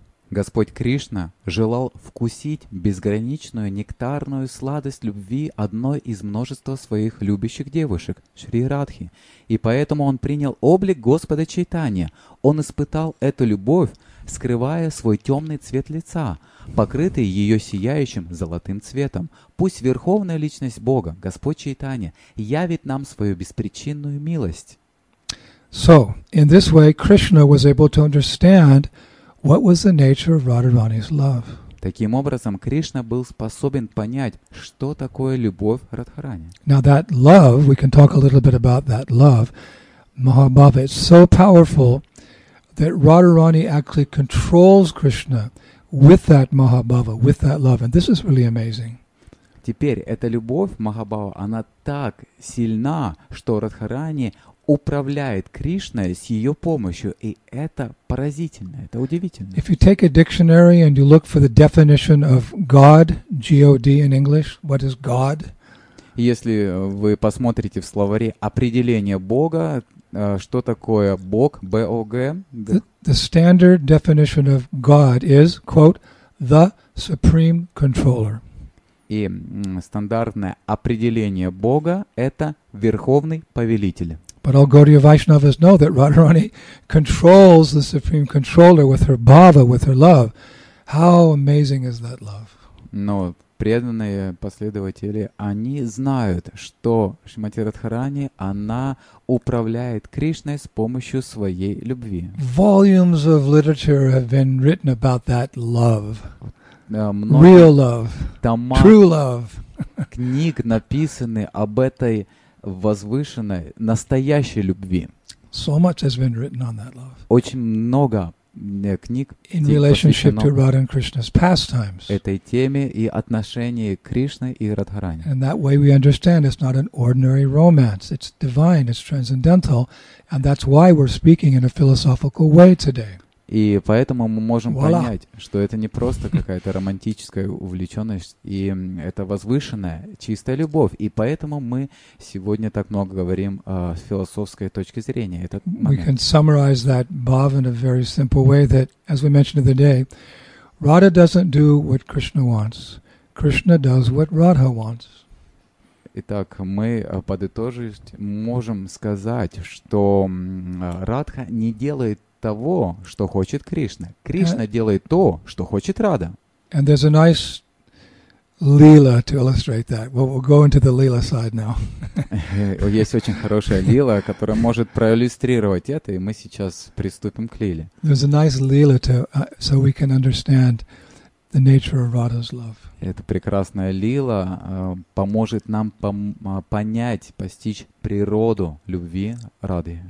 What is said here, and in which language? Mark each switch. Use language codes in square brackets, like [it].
[ru] Господь Кришна желал вкусить безграничную нектарную сладость любви одной из множества своих любящих девушек, Шри Радхи, и поэтому он принял облик Господа Чайтанья. Он испытал эту любовь, скрывая свой темный цвет лица, покрытый ее сияющим золотым цветом. Пусть Верховная Личность Бога, Господь Чайтанья, явит нам свою беспричинную милость. [en] So, in this way, Krishna was able to understand what was the nature of Radharani's love? [ru] Таким образом, Кришна был способен понять, что такое любовь Радхарани. [en] Now that love, we can talk a little bit about that love, Mahabhava, it's so powerful that Radharani actually controls Krishna with that Mahabhava, with that love, and this is really amazing. [ru] Теперь эта любовь Махабхава, она так сильна, что Радхарани управляет Кришной с ее помощью, и это поразительно, это удивительно. [en] If you take a dictionary and you look for the definition of God, G-O-D in English, what is God? [ru] Если вы посмотрите в словаре определение Бога, что такое Бог, B-O-G? [en] The standard definition of God is, quote, the supreme controller. [ru] И стандартное определение Бога — это Верховный Повелитель. [en] But all Gaudiya Vaishnavas know that Radharani controls the Supreme Controller with her bhava, with her love. How amazing is that love? [ru] Но преданные последователи, они знают, что Шримати Радхарани, она управляет Кришной с помощью своей любви. [en] Volumes of literature have been written about that love. Real love. True love. [ru] Книг написаны об этой возвышенной, настоящей любви. [en] So much has been written on that love. [ru] Очень много книг [en] in relationship to Radha and Krishna's pastimes. [ru] Этой теме и отношении Кришны и Радхарани. [en] And that way we understand it's not an ordinary romance. It's divine, it's transcendental. And that's why we're speaking in a philosophical way today. [ru] И поэтому мы можем Voila. Понять, что это не просто какая-то романтическая увлеченность, и это возвышенная, чистая любовь. И поэтому мы сегодня так много говорим с философской точки зрения. Этот момент. [en] We can summarize that bhavana in a very simple way that, as we mentioned the other day, Radha doesn't do what Krishna wants. Krishna does what Radha wants. [ru] Итак, мы подытожить можем сказать, что Радха не делает того, что хочет Кришна. Кришна делает то, что хочет Рада. [en] And there's a nice lila to illustrate that. Well, we'll go into the lila side now. [ru] Есть очень хорошая лила, которая может проиллюстрировать это, и мы сейчас приступим к лиле. [en] There's a nice lila to so we can understand the nature of Radha's love. [ru] Эта прекрасная лила поможет нам понять, постичь природу любви Рады.